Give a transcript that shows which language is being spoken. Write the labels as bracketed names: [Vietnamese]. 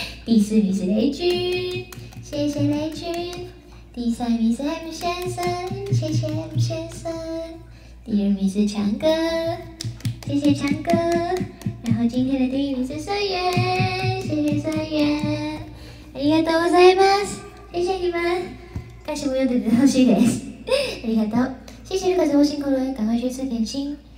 [Chinese] 第四名是雷君，谢谢雷君。第三名是 M 先生，谢谢 M 先生。第二名是强哥，谢谢强哥。然后今天的第一名是社员，谢谢社员。 [Japanese] ありがとうございます， [Chinese] 谢谢你们。 [Japanese] 歌詞も読んでて楽しいです。ありがとう。 [Chinese] 谢谢ルカさん、お辛苦了，赶快去吃点心。